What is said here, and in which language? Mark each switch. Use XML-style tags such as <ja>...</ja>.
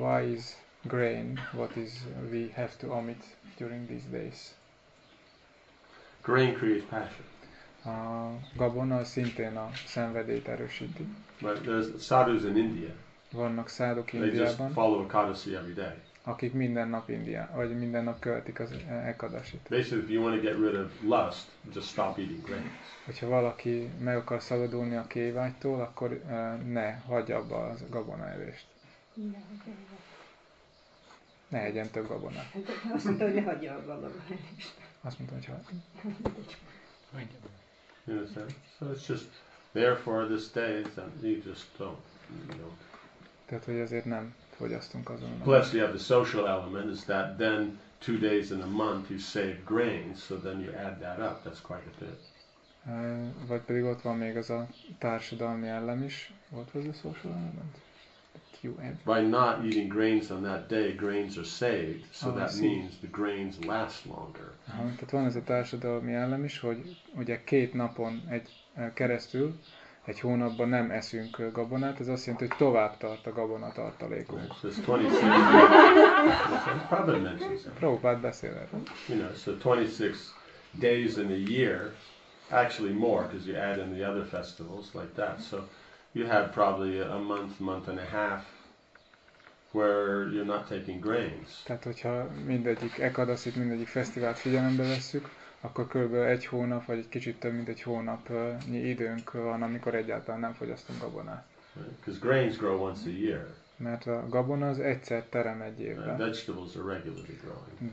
<en>Why is grain what is we have to omit during these days? Grain creates passion.</en> <hu>A gabona szintén a szenvedélyt erősíti.</hu> <en>But there's sadhus in India.</en> <hu>Vannak sadhuk Indiában.</hu> <en>They just follow Ekadasi every day.</en> <hu>Akik minden nap India, vagy minden nap követik az Ekadasit.</hu> <en>Basically, if you want to get rid of lust, just stop eating grains.</en> <hu>Hogyha valaki meg akar szabadulni a kévágytól, akkor ne hagyja abba a gabona evést. Ne egyen több gabonát. Azt mondta, hogy hagyja a gabonát. Azt mondta, hogy hagyja.</hu> <en>So it's just therefore this day that you just don't, you know.</en> <hu>Tehát, hogy azért nem fogyasztunk azon.</hu> <en>Plus you have the social element is that then 2 days in a month you save grains, so then you add that up, that's quite a bit.</en> <hu>Vagy pedig ott van még az a társadalmi elem is.</hu> <en>What was the social element? By not eating grains on that day, grains are saved, so that means the grains last longer.</en> <hu>Tehát van ez a társadalmi elem is, hogy ugye két napon egy keresztül, egy hónapban nem eszünk gabonát, ez azt jelenti, hogy tovább tart a gabonatartalékunk.</hu> <en>So it's 26 days.</en> <hu>Prabhupád beszél erről.</hu> <en>You know, so 26 days in a year, actually more, because you add in the other festivals like that. So you have probably a month and a half where you're not taking grains.</en> <hu>Tehát hogyha mindegyik Ekadasit, mindegyik fesztivált figyelembe vesszük, akkor körülbelül egy hónap vagy egy kicsit több mint egy hónapnyi időnk van, amikor egyáltalán nem fogyasztunk gabonát.</hu> <en>Because grains grow once a year.</en> <hu>Mert a gabona az egyszer terem egy évben.</hu> <en>And vegetables are regularly growing.</en>